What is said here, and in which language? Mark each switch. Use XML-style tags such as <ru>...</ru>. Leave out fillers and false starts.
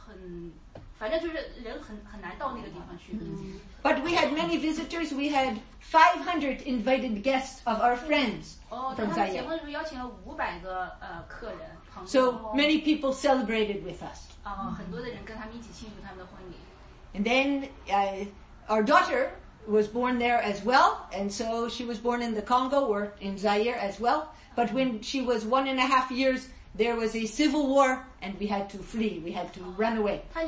<zh>那边的这个移民的政策很，反正就是人很难到那个地方去。</zh> <en>But we had many visitors. We had 500 invited guests of our friends from Zaire.</en> <zh>他们结婚的时候邀请了500个客人。</zh> <en>So many people celebrated with us. And then our daughter was born there as well, and so she was born in the Congo or in Zaire as well. But when she was 1.5 years, there was a civil war and we had to flee, we had to run away.</en>